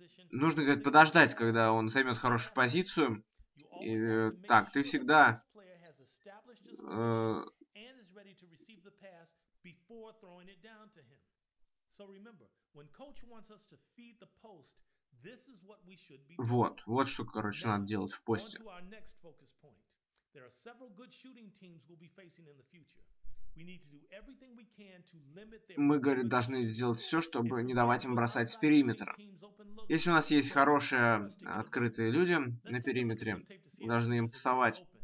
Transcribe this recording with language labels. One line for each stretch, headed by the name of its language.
Russian: Нужно, говорит, подождать, когда он займет хорошую позицию. И, так, ты всегда
English: And is ready to receive the pass before throwing it down to him. So remember, when coach wants us to feed the post, this is what we should be doing.
Russian: Вот что, короче, надо делать в посте.
English: Now, on to our next focus point. There are several good shooting teams we'll be facing in the future. We need to do everything we can to limit their...
Russian: Мы, говорит, должны сделать все, чтобы не давать им бросать с периметра. Если у нас есть хорошие открытые люди на периметре, мы должны им пасовать.